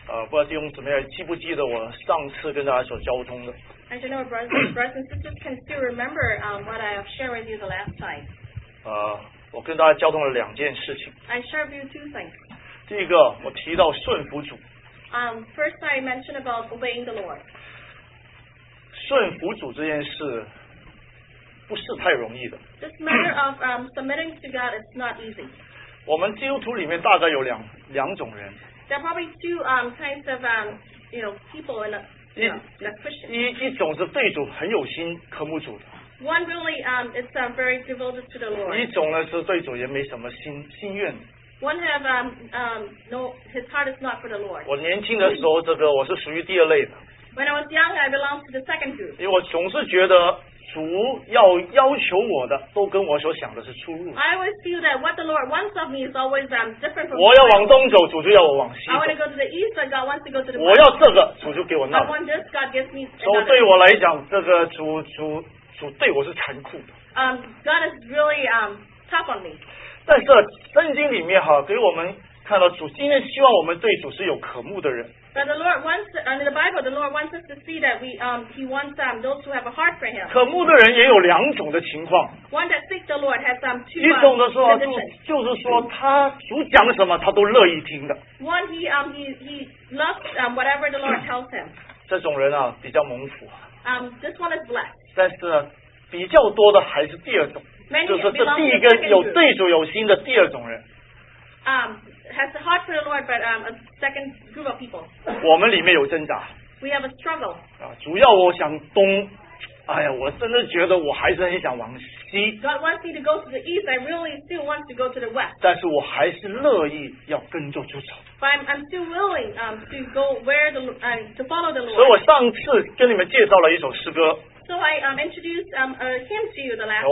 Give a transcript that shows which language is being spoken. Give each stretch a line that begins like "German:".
Chinese: 不知道弟兄姊妹还记不记得我上次跟大家所交通的。
English: I don't know if brothers and sisters can still remember what I have shared with you the last time.
Chinese: 我跟大家交通了两件事情。
English: I shared with you two things.
Chinese: 第一个，我提到顺服主。
English: First I mentioned about obeying the Lord.
Chinese: 顺服主这件事不是太容易的。
English: This matter of submitting to God is not easy.
Chinese: 我们基督徒里面大概有两种人。
English: There are probably two kinds of people in Christians.
Chinese: 一种是对主很有心渴慕主的。
English: One really is very devoted to the Lord.
Chinese: 一种呢是对主也没什么心愿。
English: One have no, his heart is not for the Lord.
Chinese: 我年轻的时候，这个我是属于第二类的。
English: When I was young, I belonged to the second group.
Chinese: 因为我总是觉得主要要求我的都跟我所想的是出入。
English: I always feel that what the Lord wants of me is always different from.
Chinese: 我要往东走，主就要我往西走。
English: I want to go to the east, but God wants to go to the west.
Chinese: 我要这个，主就给我那个。
English: I want this, God gives me.
Chinese: 所以对我来讲，这个主对我是残酷的。
English: God is really tough on me.
Chinese: 但是圣经里面哈，给我们看到主今天希望我们对主是有渴慕的人。
English: But the Lord wants, in the Bible, the Lord wants us to see that we, He wants those who have a heart for Him.
Chinese: 渴慕的人也有两种的情况。
English: One that seeks the Lord has two.
Chinese: 一种的说就是说他主讲什么他都乐意听的。
English: One he loves whatever the Lord tells him.
Chinese: 这种人啊比较蒙福。
English: This one is blessed.
Chinese: 但是比较多的还是第二种，就是这第一个有对主有心的第二种人。
English: Has a heart for the Lord, but a second group of people.
Chinese: 我们里面有挣扎。
English: We have a struggle.
Chinese: 主要我想东，哎呀，我真的觉得我还是很想往西。
English: God wants me to go to the east. I really still want to go to the west.
Chinese: 但是我还是乐意要跟着主走。
English: But I'm still willing to go where the to follow the Lord.
Chinese: 所以我上次跟你们介绍了一首诗歌。
English: So I introduced a hymn to you the last time.